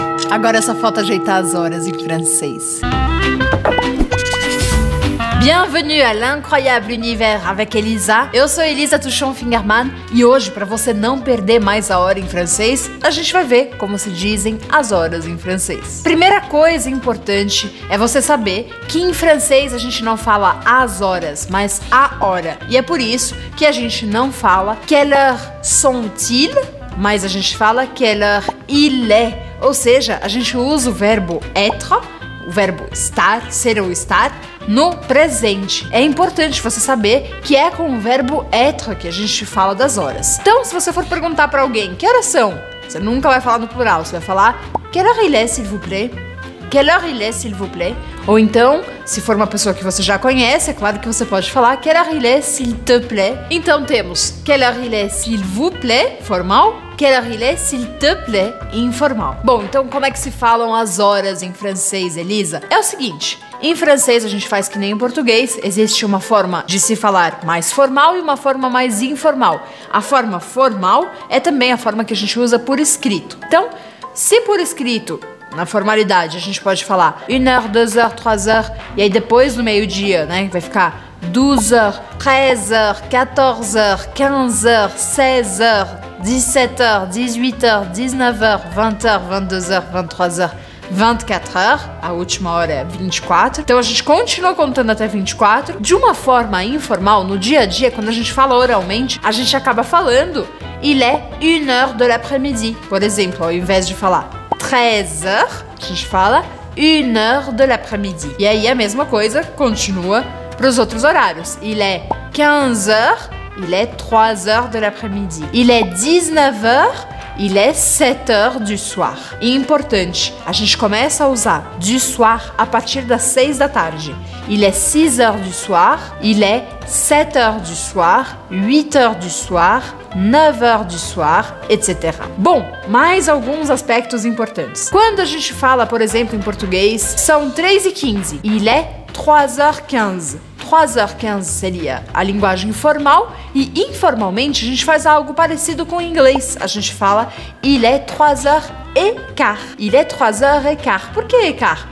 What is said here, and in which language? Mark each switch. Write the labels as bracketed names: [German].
[Portuguese] Agora só falta ajeitar as horas em francês. [French] Bienvenue à l'incroyable univers avec Elisa. [Portuguese] Eu sou Elisa Tuchon-Fingerman e hoje, para você não perder mais a hora em francês, a gente vai ver como se dizem as horas em francês. Primeira coisa importante é você saber que em francês a gente não fala as horas, mas a hora. E é por isso que a gente não fala [French] quelle heure sont-ils, [Portuguese] mas a gente fala [French] quelle heure il est. [Portuguese] Ou seja, a gente usa o verbo être, o verbo estar, ser ou estar, no presente. É importante você saber que é com o verbo être que a gente fala das horas. Então, se você for perguntar para alguém, que horas são? Você nunca vai falar no plural, você vai falar [French] quelle heure il est, s'il vous plaît? Quelle heure il est, s'il vous plaît? [Portuguese] Ou então, se for uma pessoa que você já conhece, é claro que você pode falar [French] quelle heure il est, s'il te plaît? [Portuguese] Então temos [French] quelle heure il est, s'il vous plaît, [Portuguese] formal. [French] Quelle heure il est, s'il te plaît, informal. [Portuguese] Bom, então como é que se falam as horas em francês, Elisa? É o seguinte, em francês a gente faz que nem em português, existe uma forma de se falar mais formal e uma forma mais informal. A forma formal é também a forma que a gente usa por escrito. Então, se por escrito, na formalidade, a gente pode falar [French] 1 heure, 2 heures, 3 heures, [Portuguese] e aí depois no meio-dia, né, vai ficar [French] 12 heures, 13 heures, 14 heures, 15 heures, 16 heures, 17 heures, 18 heures, 19 heures, 20 heures, 21 heures, 22 heures, 23 heures, 24 heures, [Portuguese] a última hora é 24. Então a gente continua contando até 24. De uma forma informal, no dia a dia, quando a gente fala oralmente, a gente acaba falando [French] il est 1 heure de l'après-midi. [Portuguese] Por exemplo, ao invés de falar [French] 13 heures, [Portuguese] a gente fala [French] 1 heure de l'après-midi. [Portuguese] E aí a mesma coisa continua para os outros horários. [French] Il est 15 heures, il est 3 heures de l'après-midi. Il est 19 heures, il est 7 heures du soir. [Portuguese] E importante, a gente começa a usar [French] du soir [Portuguese] a partir das 6 da tarde. [French] Il est 6 heures du soir, il est 7 heures du soir, 8 heures du soir, 9 heures du soir, etc. [Portuguese] Bom, mais alguns aspectos importantes. Quando a gente fala, por exemplo, em português, são 3h15. [French] Il est 3h15. [Portuguese] 3h15 seria a linguagem formal e informalmente a gente faz algo parecido com o inglês. A gente fala [French] il est 3h15. Il est 3h15. [Portuguese] Por que écart?